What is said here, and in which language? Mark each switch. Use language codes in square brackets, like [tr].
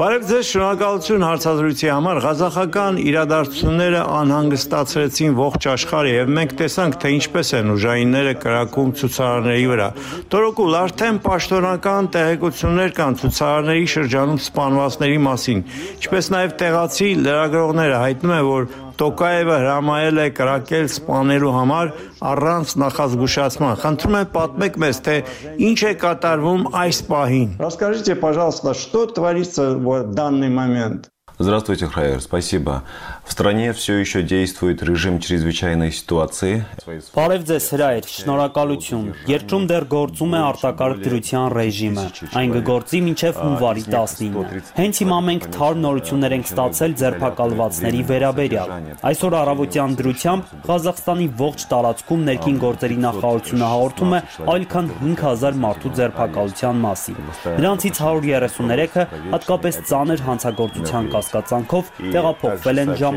[hy] Բարև ձեզ, շնորհակալություն հարցազրույցի համար։ Ղազախական իրադարձությունները անհանգստացրեցին ողջ աշխարհը եւ մենք տեսանք, թե ինչպես են ուժայինները կրակում ցուցարարների վրա։ Տորոկուլ, արդեն պաշտոնական տեղեկություններ կան ցուցարարների շրջանում սպանվածների մասին, ինչպես նաեւ տեղացի լրագրողները հայտնում են, որ Տոկաևը հրամայել է կրակել սպանելու համար առանց նախազգուշացման։ Խնդրում եմ, պատմեք մեզ, թե ինչ է կատարվում այս պահին։ [ru] Расскажите, пожалуйста, что творится в данный момент? Здравствуйте, Храйер, спасибо. В стране все еще действует режим чрезвычайной ситуации. [hy] Բարև ձեզ, Հրայր, շնորհակալություն։ Երկրում դեռ գործում է արտակարգ դրության ռեժիմը, այն կգործի մինչև հունվարի 19-ը։ Հենց հիմա մենք թարմ նորություններ ենք ստացել ձերբակալվածների վերաբերյալ։ Այսօր առավոտյան դրությամբ Ղազախստանի ողջ տարածքում ներքին գործերի նախարարությունը հաղորդում է այլքան 5000 մարդու ձերբակալության մասին, նրանցից 133-ը հատկապես ծանր հանցագործության կասկածանքով տեղափոխվել են ժամանակ